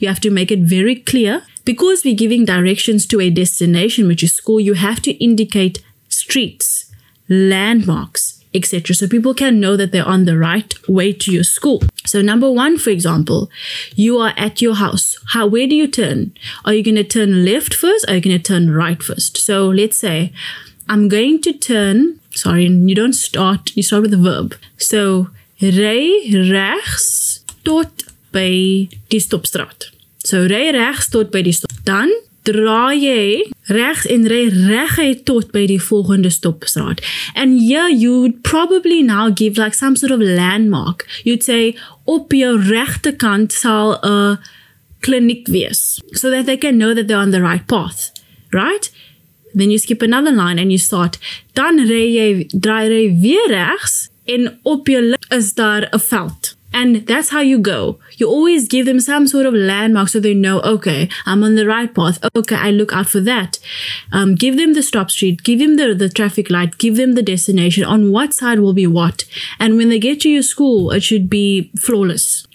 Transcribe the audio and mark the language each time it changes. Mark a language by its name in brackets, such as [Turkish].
[English] You have to make it very clear. Because we're giving directions to a destination, which is school, you have to indicate streets, landmarks, etc. So people can know that they're on the right way to your school. So number one, for example, you are at your house. Where do you turn? Are you going to turn left first? Are you going to turn right first? So let's say I'm going to turn. Sorry, you don't start. You start with a verb. [Afrikaans] So ry rechts tot by die stopstraat. So ry rechts tot by die stop. Dan draai jy rechts en ry reguit tot by die volgende stopstraat. [English] And here you would probably now give like some sort of landmark. You'd say, [Afrikaans] op jou rechterkant sal 'n kliniek wees. [English] So that they can know that they're on the right path. Right? Then you skip another line and you start. [Afrikaans] Dan draai jy weer rechts en op jou link is daar 'n veld. [English] And that's how you go. You always give them some sort of landmark so they know, okay, I'm on the right path. Okay, I look out for that. Give them the stop street. Give them the traffic light. Give them the destination. On what side will be what? And when they get to your school, it should be flawless.